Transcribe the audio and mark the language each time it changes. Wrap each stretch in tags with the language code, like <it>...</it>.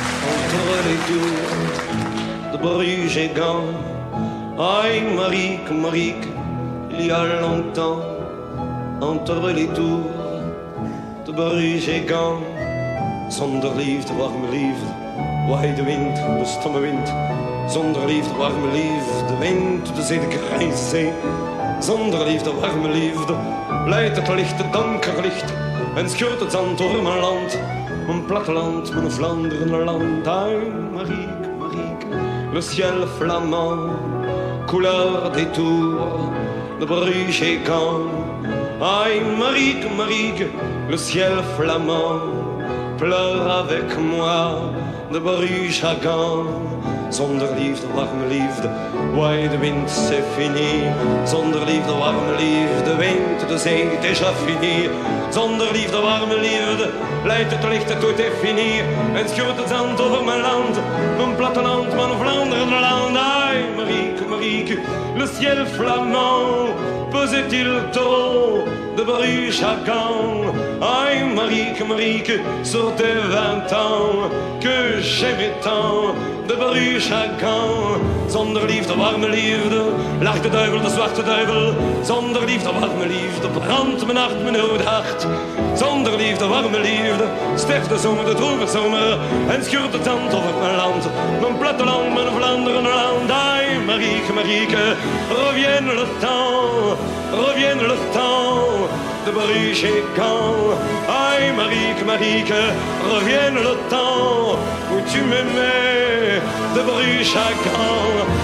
<fr>Entre les deux de Bruges et Gand. Ay, Marique, il y a longtemps. entre les tours de Bruges et Gand.</fr> <nl>Zonder liefde, warme liefde, waai de wind, de stomme wind. Zonder liefde, warme liefde, de wind, de zee, de grijze zee. Zonder liefde, warme liefde, leidt het licht, het donker licht. En scheurt het zand door mijn land, mijn platteland, mijn Vlaanderen land.</nl> <fr>Ai, Marieke, Marieke, le ciel flamand, couleur des tours, de Bruges et Gand. Ai, Marieke, Marieke, le ciel flamand, pleure avec moi, de Bruges à Gand.</fr> <nl>Zonder liefde, warme liefde, waai de wind,</nl> <fr>c'est fini.</fr> <nl>Zonder liefde, warme liefde, wind, de zee,</nl> <fr>déjà fini.</fr> <nl>Zonder liefde, warme liefde, leidt het licht, het doet fini. En schuurt het zand over mijn land, mijn platteland, mijn Vlaanderen land.</nl> <fr>Ai, Marieke, Marieke, le ciel flamand, pesait-il trop de Bruges à Gand. Ai, Marieke, Marieke, sur tes vingt ans, que j'aimais tant de Bruges à Gand.</fr> <nl>Zonder liefde, warme liefde, lacht de duivel, de zwarte duivel. Zonder liefde, warme liefde, brandt mijn hart, mijn oude hart. Zonder liefde, warme liefde, sterft de zomer, de droeve zomer. En schuurt het zand over mijn land, mijn platteland, mijn Vlaanderen land.</nl> <fr>Ai, Marieke, Marieke, revient le temps, revient le temps de Bruges et Gand. Ai, Marieke, Marieke, revient le temps où tu m'aimais de Bruges à Gand.</fr>